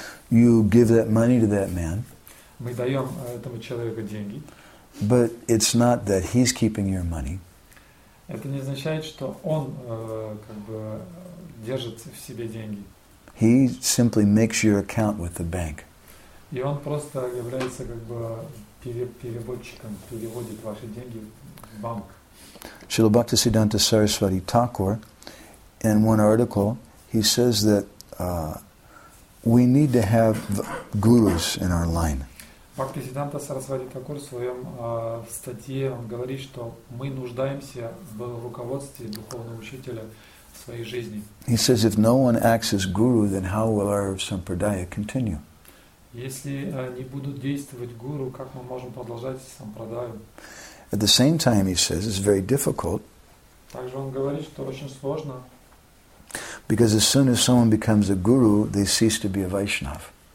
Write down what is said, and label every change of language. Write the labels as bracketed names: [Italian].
[English] You give that money to that man. [Russian] Мы даем этому человеку деньги. [English] But it's not that he's keeping your money. [Russian] Это не означает, что он как бы держит в себе деньги. [English] He simply makes your account with the bank. [Russian] И он просто является как бы переводчиком, переводит ваши деньги в банк. [English] Srila Bhaktisiddhanta Saraswati Thakur, in one article, he says that we need to have gurus in our line. [Russian] Bhaktisiddhanta Saraswati Thakur в своем статье он говорит, что мы нуждаемся в руководстве духовного учителя в своей жизни. [English] He says, if no one acts as guru, then how will our sampradaya continue? [Russian] Если не будут действовать гуру, как мы можем продолжать сампрадаю? [English] At the same time, he says, it's very difficult. [Russian] Также он говорит, что очень сложно. [English] Because as soon as someone becomes a guru, they cease to be a Vaishnav.